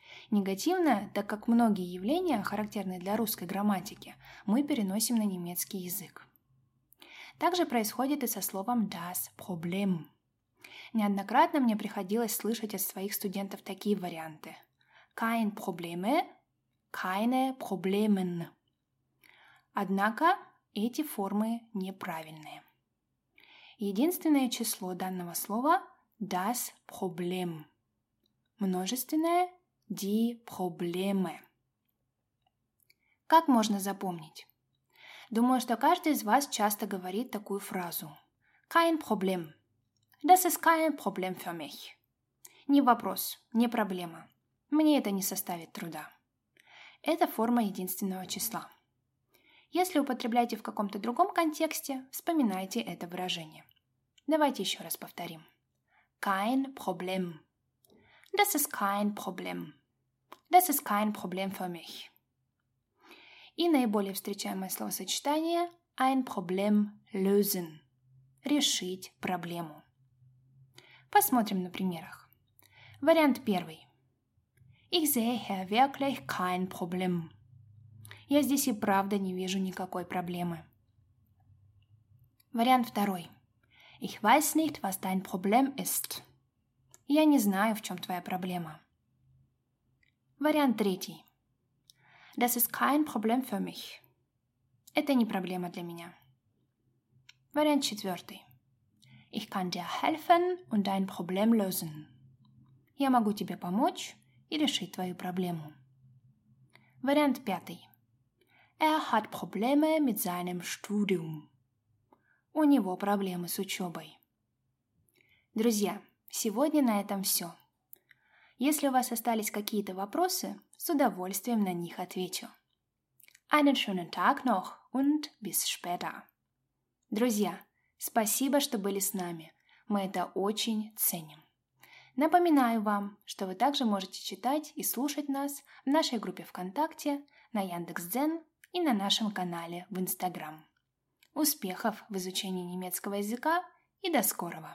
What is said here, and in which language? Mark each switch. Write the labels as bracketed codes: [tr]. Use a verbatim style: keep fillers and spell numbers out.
[ru] Негативное, так как многие явления, характерные для русской грамматики, мы переносим на немецкий язык. Также происходит и со словом «das Problem». Неоднократно мне приходилось слышать от своих студентов такие варианты. [de] Kein Probleme, keine Problemen. [ru] Однако эти формы неправильные. Единственное число данного слова – das Problem. Множественное – die Probleme. Как можно запомнить? Думаю, что каждый из вас часто говорит такую фразу. [de] Kein Problem. Das ist kein Problem für mich. [ru] Не вопрос, не проблема. Мне это не составит труда. Это форма единственного числа. Если употребляете в каком-то другом контексте, вспоминайте это выражение. Давайте еще раз повторим. [de] Kein Problem. Das ist kein Problem. Das ist kein Problem für mich. [ru] И наиболее встречаемое словосочетание [de] ein Problem lösen. [ru] Решить проблему. Посмотрим на примерах. Вариант первый. [de] Ich sehe wirklich kein Problem. [ru] Я здесь и правда не вижу никакой проблемы. Вариант второй. [de] Ich weiß nicht, was dein Problem ist. [ru] Я не знаю, в чем твоя проблема. Вариант третий. [de] Das ist kein Problem für mich. [ru] Это не проблема для меня. Вариант четвертый. [de] Ich kann dir helfen und dein Problem lösen. [ru] Я могу тебе помочь и решить твою проблему. Вариант пятый. [de] Er hat Probleme mit seinem Studium. [ru] У него проблемы с учебой. Друзья, сегодня на этом все. Если у вас остались какие-то вопросы, с удовольствием на них отвечу. [de] Einen schönen Tag noch und bis später. [ru] Друзья, спасибо, что были с нами. Мы это очень ценим. Напоминаю вам, что вы также можете читать и слушать нас в нашей группе ВКонтакте, на Яндекс.Дзен и на нашем канале в Инстаграм. Успехов в изучении немецкого языка и до скорого!